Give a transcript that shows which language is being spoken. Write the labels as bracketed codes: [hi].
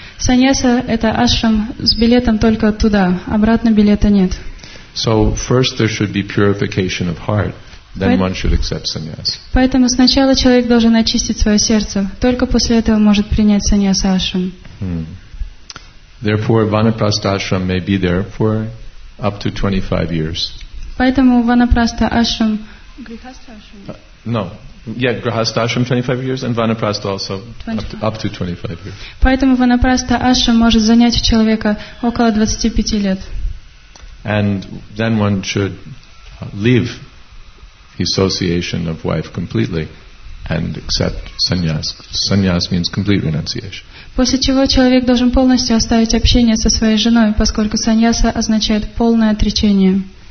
[ru] Саньяса это ашрам с билетом только туда, обратно билета нет. [en] So first there should be purification of heart, then one should accept sannyas. [ru] Поэтому сначала человек должен очистить свое сердце, только после этого может принять саньяса ашрам. [en] Therefore, vanaprastha ashram may be there for up to 25 years. [ru] Поэтому vanaprastha ashram. [en] Grihastha ashram 25 years and vanaprastha also up to 25 years. [ru] Поэтому vanaprastha ashram может занять у человека около 25 лет. [en] And then one should leave the association of wife completely and accept sannyas. Sannyas means complete renunciation. [ru] После чего человек должен полностью оставить общение со своей женой, поскольку саньяса означает полное отречение.